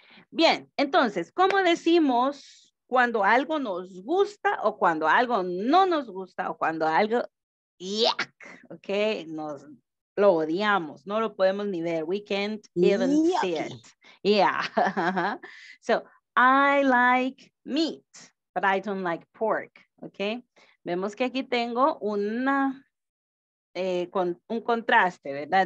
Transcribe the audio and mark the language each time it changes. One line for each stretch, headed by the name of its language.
Spanish: Bien, entonces, ¿cómo decimos cuando algo nos gusta o cuando algo no nos gusta o cuando algo, yuck, ok, nos lo odiamos, no lo podemos ni ver,
English: we can't even see it. Yeah. So, I like meat, but I don't like pork. Ok.
Spanish: Vemos que aquí tengo una, un contraste, ¿verdad?